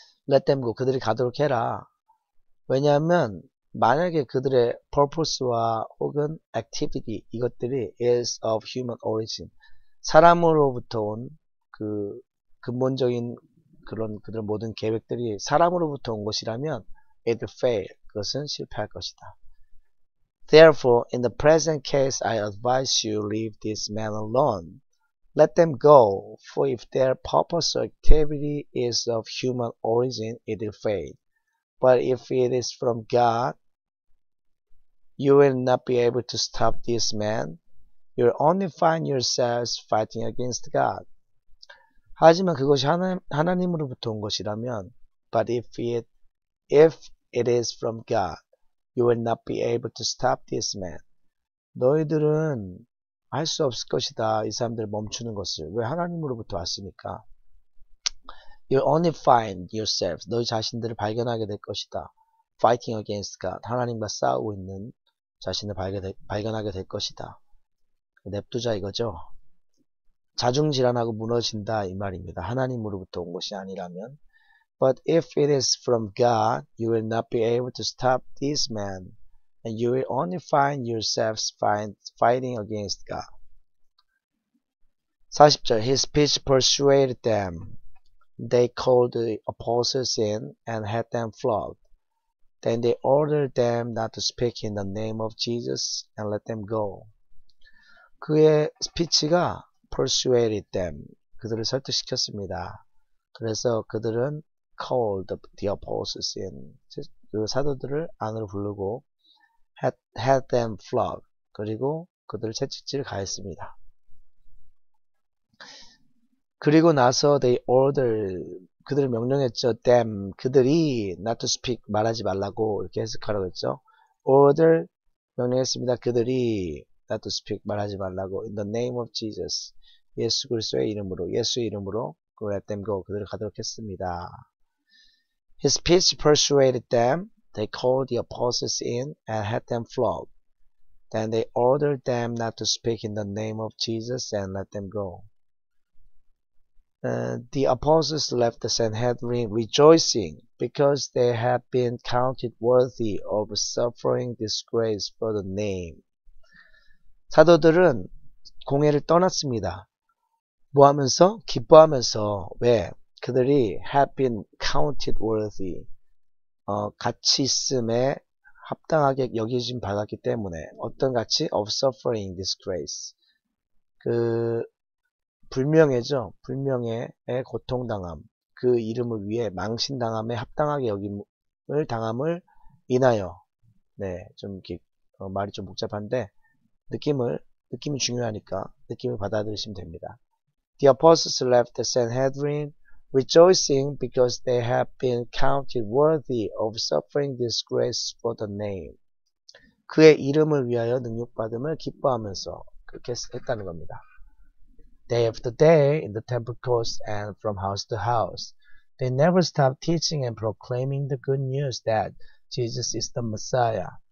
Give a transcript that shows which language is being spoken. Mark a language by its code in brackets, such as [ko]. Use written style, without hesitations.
[en] Let them go. [ko] 그들이 가도록 해라. 왜냐하면 만약에 그들의 purpose와 혹은 activity 이것들이 [en] is of human origin. [ko] 사람으로부터 온 그 근본적인 그런 그들 모든 계획들이 사람으로부터 온 것이라면 [en] it fail [ko] 그것은 실패할 것이다. [en] Therefore, in the present case, I advise you leave this man alone. Let them go, for if their purpose or activity is of human origin, it will fail. But if it is from God, you will not be able to stop this man. You'll only find yourselves fighting against God. [ko] 하지만 그것이 하나님으로부터 온 것이라면, [en] but if it is from God, you will not be able to stop this man. [ko] 너희들은 할 수 없을 것이다. 이 사람들을 멈추는 것을. 왜 하나님으로부터 왔으니까. [en] You'll only find yourselves, [ko] 너희 자신들을 발견하게 될 것이다. [en] Fighting against God, [ko] 하나님과 싸우고 있는 자신을 발견하게 될 것이다. 냅두자 이거죠. 자중질환하고 무너진다 이 말입니다. 하나님으로부터 온 것이 아니라면. [en] But if it is from God, you will not be able to stop this man, and you will only find yourselves fighting against God. 40절, his speech persuaded them. They called the apostles in and had them flogged. Then they ordered them not to speak in the name of Jesus and let them go. [ko] 그의 스피치가 [en] persuaded them. [ko] 그들을 설득시켰습니다. 그래서 그들은 [en] called the apostles in. [ko] 그 사도들을 안으로 부르고 [en] had them flogged. [ko] 그리고 그들을 채찍질 가했습니다. 그리고 나서 [en] they ordered, [ko] 그들을 명령했죠. them, 그들이 [en] not to speak, [ko] 말하지 말라고 이렇게 해석하라고 했죠. order, 명령했습니다. 그들이 [en] not to speak, [ko] 말하지 말라고. [en] in the name of Jesus, [ko] 예수 그리스도의 이름으로, 예수의 이름으로 [en] let them go, [ko] 그들을 가도록 했습니다. [en] His speech persuaded them. They called the apostles in and had them flogged. Then they ordered them not to speak in the name of Jesus and let them go. The apostles left the Sanhedrin rejoicing because they had been counted worthy of suffering disgrace for the name. [ko] 사도들은 공회를 떠났습니다. 뭐 하면서? 기뻐하면서. 왜? 그들이 [en] had been counted worthy. [ko] 가치 있음에 합당하게 여겨진 받았기 때문에. 어떤 가치? [en] of suffering disgrace. [ko] 불명예죠. 불명예의 고통당함. 그 이름을 위해 망신당함에 합당하게 당함을 인하여. 네, 좀 이렇게 말이 좀 복잡한데 느낌이 중요하니까 느낌을 받아들이시면 됩니다. [en] The apostles left the Sanhedrin rejoicing because they have been counted worthy of suffering disgrace for the name. [ko] 그의 이름을 위하여 능욕받음을 기뻐하면서 그렇게 했다는 겁니다. [en] Day after day, in the temple courts and from house to house, they never stopped teaching and proclaiming the good news that Jesus is the Messiah.